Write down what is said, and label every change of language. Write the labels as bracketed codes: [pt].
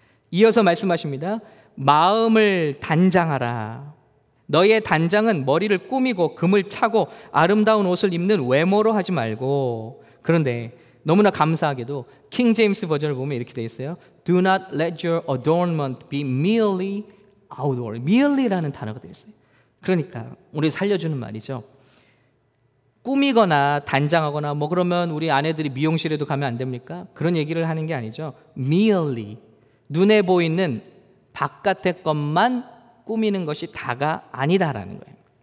[ko] 이어서 말씀하십니다. 마음을 단장하라. 너의 단장은 머리를 꾸미고 금을 차고 아름다운 옷을 입는 외모로 하지 말고. 그런데 너무나 감사하게도 킹 제임스 버전을 보면 이렇게 되어 있어요. [en] Do not let your adornment be merely outward. [ko] merely라는 단어가 되어 있어요. 그러니까 우리 살려주는 말이죠. 꾸미거나 단장하거나 뭐 그러면 우리 아내들이 미용실에도 가면 안 됩니까? 그런 얘기를 하는 게 아니죠. merely, 눈에 보이는 바깥의 것만 꾸미는 것이 다가 아니다라는 거예요.